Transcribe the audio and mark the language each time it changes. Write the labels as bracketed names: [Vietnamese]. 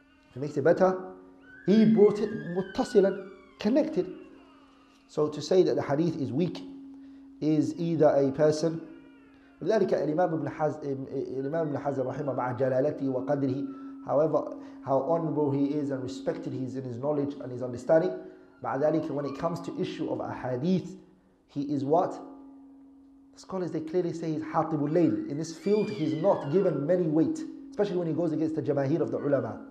[English] If it makes it better, he brought it muttasilan, connected. So to say that the hadith is weak is either a person. [Arabic] لذلك الإمام ابن حزم رحمه مع جلالته وقدره. [English] However, how honorable he is and respected he is in his knowledge and his understanding. [Arabic] مع ذلك, [English] when it comes to issue of a hadith, he is what? The scholars, they clearly say he's [Arabic] حاطب الليل. [English] In this field, he's not given many weight, especially when he goes against the jamaheer of the ulama.